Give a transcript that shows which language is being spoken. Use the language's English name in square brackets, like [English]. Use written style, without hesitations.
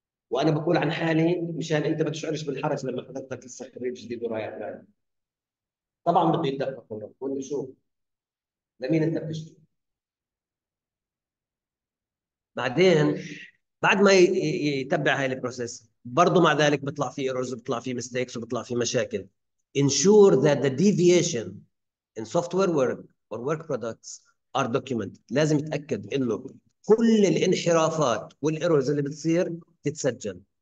[Arabic] وانا بقول عن حالي مشان انت ما تشعرش بالحرج لما حضرتك لسه خريج جديد ورايح بلاد. طبعا بده يتدفق وراك ولا شو؟ لمين انت بتشتري؟ بعدين بعد ما يتبع هاي البروسيس، برضه مع ذلك بيطلع فيه ايرورز وبيطلع فيه ميستيكس وبيطلع فيه مشاكل. [English] Ensure that the deviation in software work or work products are documented. [Arabic] لازم يتأكد انه كل الانحرافات والايرورز اللي بتصير تتسجل.